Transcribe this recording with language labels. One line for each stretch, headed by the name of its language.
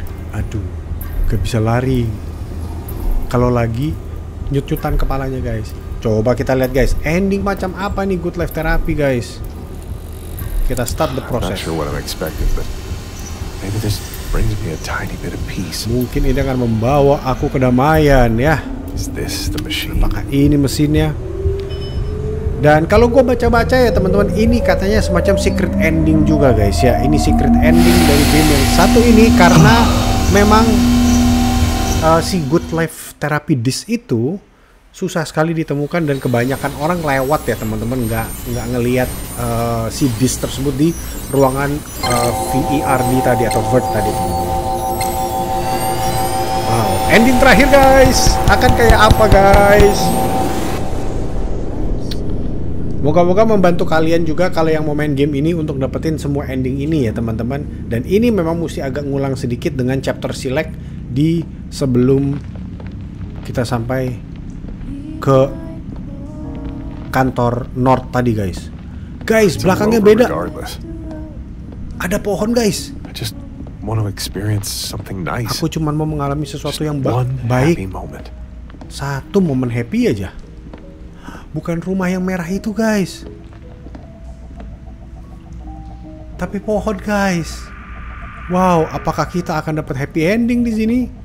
Indonesian: Aduh, gak bisa lari. Kalau lagi nyut-nyutan kepalanya, guys. Coba kita lihat, guys. Ending macam apa nih Good Life Therapy, guys? Kita
English: start the process. Not sure what I expected, but maybe this brings me a tiny bit of peace.
Indonesian: Mungkin ini akan membawa aku kedamaian, ya.
English: Is this the machine?
Indonesian: Apakah ini mesinnya? Dan kalau gua baca-baca ya, teman-teman, ini katanya semacam secret ending juga, guys, ya. Ini secret ending dari game yang satu ini karena memang si Good Life Therapy Disc itu susah sekali ditemukan dan kebanyakan orang lewat ya teman-teman, nggak ngelihat si disc tersebut di ruangan VERD tadi atau VERD tadi. Wow, ending terakhir guys, akan kayak apa guys? Moga-moga membantu kalian juga kalau yang mau main game ini untuk dapetin semua ending ini ya teman-teman. Dan ini memang mesti agak ngulang sedikit dengan chapter select di sebelum kita sampai ke kantor North tadi guys. Guys, belakangnya beda. Ada pohon guys.
English: I just want to experience something nice.
Indonesian: Aku cuma mau mengalami sesuatu yang baik. Satu momen happy aja. Bukan rumah yang merah itu guys. Tapi pohon guys. Wow, apakah kita akan dapat happy ending di sini?